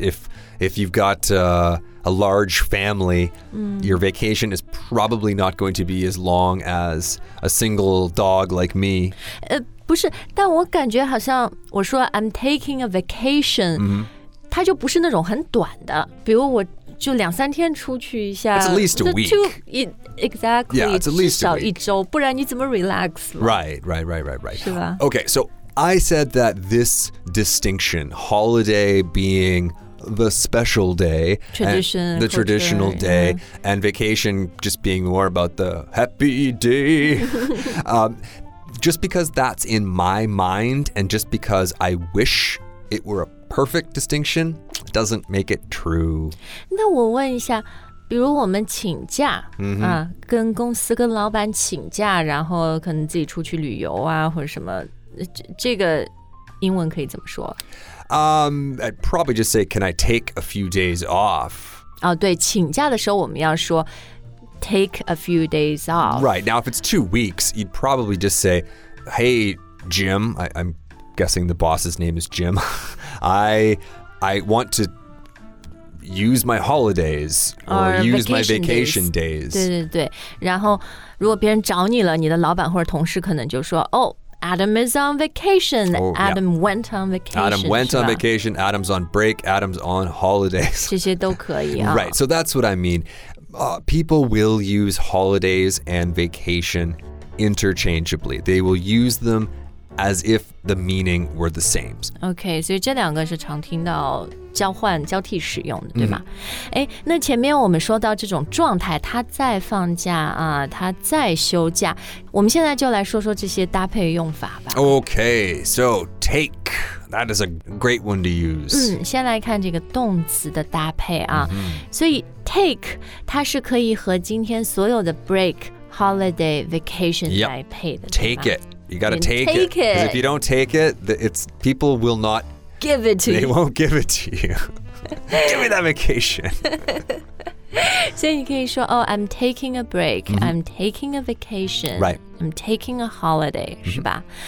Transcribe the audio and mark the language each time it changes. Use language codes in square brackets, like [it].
[en] If you've got a large family, your vacation is probably not going to be as long as a single dog like me. [zh] 不是，但我感觉好像我说 [en] I'm taking a vacation,、 mm-hmm. [zh] 它就不是那种很短的。比如我就两三天出去一下。 [en] It's at least a week. Exactly. Yeah, it's at least [zh] 至少一周，不然你怎么 relax? [en] Right. [zh] 是吧 [en] Okay, so I said that this distinction, holiday being the special day, tradition, the traditional day,、 yeah. and vacation just being more about the happy day, 、just because that's in my mind, and just because I wish it were a perfect distinction, doesn't make it true. [zh] 那我问一下比如我们请假、 mm-hmm. 啊、跟公司跟老板请假然后可能自己出去旅游啊或者什么这个英文可以怎么说、 [en] I'd probably just say can I take a few days off、 [zh] 哦、对请假的时候我们要说 [en] take a few days off Right, now if it's 2 weeks you'd probably just say hey Jim I'm guessing the boss's name is Jim I want toUse my holidays or use my vacation days. [zh] 对对对，然后如果别人找你了，你的老板或者同事可能就说 ， [en] Oh, Adam is on vacation. Adam went on vacation. Adam went on vacation. Adam's on break. Adam's on holidays. [zh] 这些都可以啊。 [en] Right, so that's what I mean. People will use holidays and vacation interchangeably. They will use them as if the meaning were the same. [zh] Okay, 所以这两个是常听到。交换交替使用的对吗、嗯、诶那前面我们说到这种状态他在放假啊，他在休假我们现在就来说说这些搭配用法吧 [en] Okay, so take That is a great one to use、 [zh] 嗯、先来看这个动词的搭配啊、嗯、所以 take 它是可以和今天所有的 break, holiday, vacation 来配的 [en] yep, Take it You gotta take, take it Because if you don't take it it's, People will not Give it to They you. They won't give it to you. Give me that vacation. [zh] 所以你可以说 [en] oh, I'm taking a break.、Mm-hmm. I'm taking a vacation. Right. I'm taking a holiday,、mm-hmm. [zh] 是吧？